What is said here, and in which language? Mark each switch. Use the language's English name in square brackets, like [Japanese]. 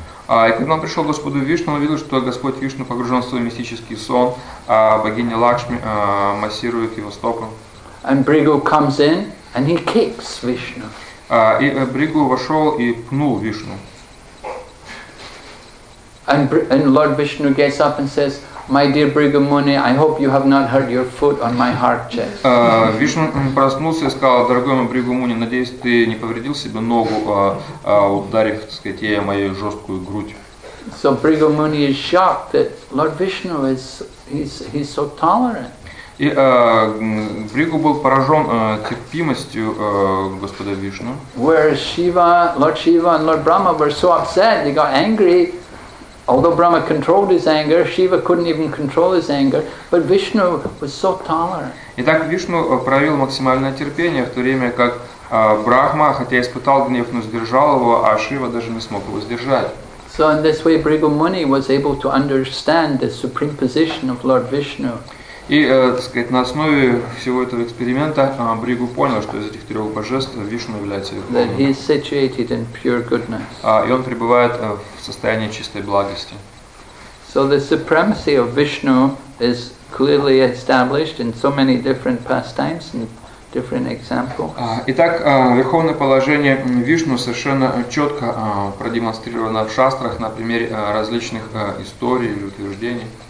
[Russian] И когда он пришел к Господу Вишну, он увидел, что Господь Вишну погружен в свой мистический сон, а богиня Лакшми массирует его стопы. [English] And Bhrigu comes in and he kicks Vishnu. [Russian] И Бригу вошел и пнул Вишну. [English] And Lord Vishnu gets up and says, "My dear Bhrigu Muni, I hope you have not hurt your foot on my hard chest." [Russian] Вишну проснулся и сказал: "Дорогой мой Бригу Муни, надеюсь, ты не повредил себе ногу, ударив, так сказать, ей мою жесткую грудь." [English] So Bhrigu Muni is shocked that Lord Vishnu is so tolerant. [Russian] И Бригу был поражен терпимостью Господа Вишну. [English] Whereas Lord Shiva and Lord Brahma were so upset, they got angry. Although Brahma controlled his anger, Shiva couldn't even control his anger, but Vishnu was so tolerant. [Russian] Итак, Вишну проявил максимальное терпение, в то время как Брахма, хотя испытал гнев, но сдержал его, а Шива даже не смог его сдержать. [English] So in this way, Bhrigu Muni was able to understand the supreme position of Lord Vishnu. [Russian] И, так сказать, на основе всего этого эксперимента Бригу понял, что из этих трех божеств Вишну является верховным. [English] That he is situated in pure goodness. [Russian] И он пребывает в состоянии чистой благости. [English] So the supremacy of Vishnu is clearly established in so many different pastimes and different examples. [Russian] Итак, верховное положение Вишну совершенно четко продемонстрировано в шастрах на примере различных историй или утверждений.